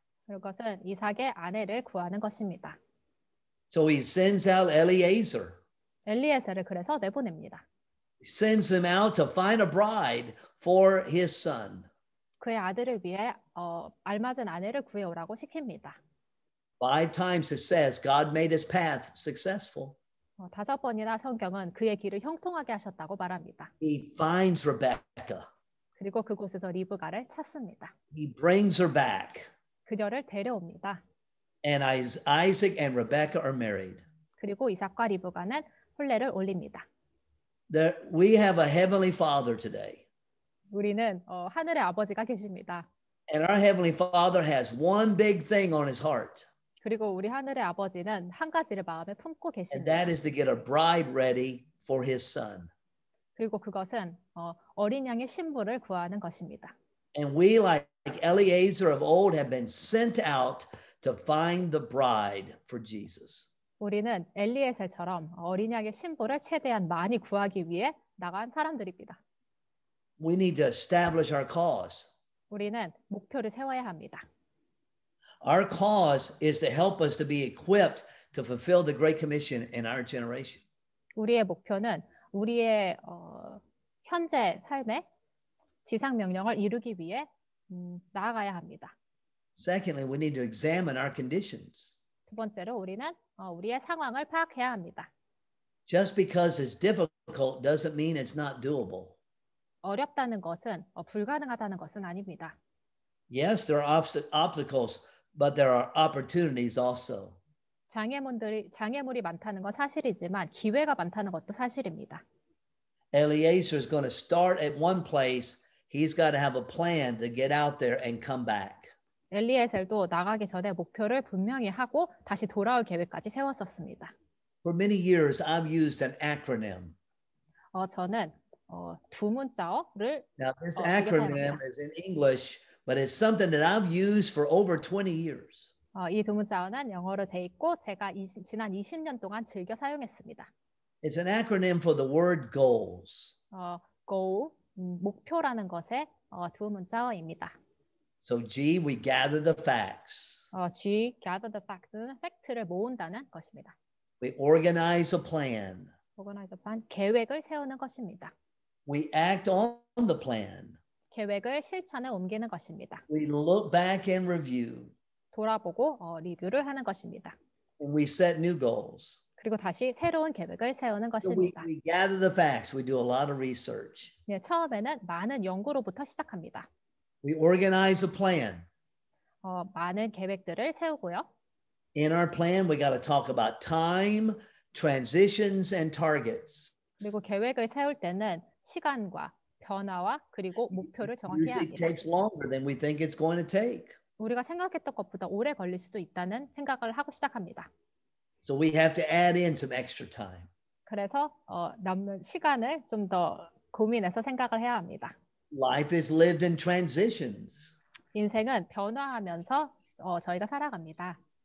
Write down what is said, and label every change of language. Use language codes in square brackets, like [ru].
[ko] 그것은 이삭의 아내를 구하는 것입니다. [en] So he sends out Eliezer. [ko] 엘리에셀을 그래서 내보냅니다. [en] He sends him out to find a bride for his son. [ko] 그의 아들을 위해 알맞은 아내를 구해오라고 시킵니다. [en] Five times it says God made his path successful. [ko] 다섯 번이나 성경은 그의 길을 형통하게 하셨다고 말합니다. [en] He finds Rebecca. [ko] 그리고 그곳에서 리브가를 찾습니다. [en] He brings her back. [ko] 그녀를 데려옵니다. [en] And Isaac and Rebecca are married. [ko] 그리고 이삭과 리브가는 혼례를 올립니다. [en] We have a heavenly father today. [ko] 우리는 하늘의 아버지가 계십니다. [en] And our heavenly father has one big thing on his heart. [ko] 그리고 우리 하늘의 아버지는 한 가지를 마음에 품고 계십니다. [en] And that is to get a bride ready for his son. [ko] 그리고 그것은 어린 양의 신부를 구하는 것입니다. [en] And we like Eliezer of old have been sent out to find the bride for Jesus. [ko] 우리는 엘리에셀처럼 어린 양의 신부를 최대한 많이 구하기 위해 나간 사람들입니다. [en] We need to establish our cause. [ko] 우리는 목표를 세워야 합니다. [en] Our cause is to help us to be equipped to fulfill the great commission in our generation. [ko] 우리의 목표는 우리의 현재 삶의 지상 명령을 이루기 위해 나아가야 합니다. [en] Secondly, we need to examine our conditions. [ko] 두 번째로 우리는 우리의 상황을 파악해야 합니다. [en] Just because it's difficult doesn't mean it's not doable. [ko] 어렵다는 것은 불가능하다는 것은 아닙니다. [en] Yes, there are obstacles, but there are opportunities also. [ko] 장애물이 많다는 건 사실이지만 기회가 많다는 것도 사실입니다. [en] Eliezer is going to start at one place. He's got to have a plan to get out there and come back. [ko] 엘리에셀도 나가기 전에 목표를 분명히 하고 다시 돌아올 계획까지 세웠었습니다. [en] For many years, I've used an acronym. [ko] 저는 두 문자어를 [en] Now this acronym is in English, but it's something that I've used for over 20 years. [ko] 이 두 문자어는 영어로 돼 있고 제가 지난 20년 동안 즐겨 사용했습니다. [en] It's an acronym for the word goals. [ko] Goal, 목표라는 것의 두 문자어입니다. [en] So G, we gather the facts. [ko] G, [en] gather the facts [ko] 는 팩트를 모은다는 것입니다. [en] We organize a plan. Organize a plan, [ko] 계획을 세우는 것입니다. [en] We act on the plan. [ko] 계획을 실천에 옮기는 것입니다. [en] We look back and review. [ko] 돌아보고 리뷰를 하는 것입니다. [en] And we set new goals. [ko] 그리고 다시 새로운 계획을 세우는 것입니다. [en] So we gather the facts. We do a lot of research. [ko] 처음에는 많은 연구로부터 시작합니다. [en] We organize a plan. [ko] 많은 계획들을 세우고요. [en] In our plan, we got to talk about time, transitions, and targets. [ko] 그리고 계획을 세울 때는 시간과 변화와 그리고 목표를 정확히 해야 합니다. [en] It takes longer than we think it's going to take. [ko] 우리가 생각했던 것보다 오래 걸릴 수도 있다는 생각을 하고 시작합니다. [en] So we have to add in some extra time. [ko] 그래서 남는 시간을 좀 더 고민해서 생각을 해야 합니다. [en] Life is lived in transitions. [ko] 인생은 변화하면서 저희가 살아갑니다.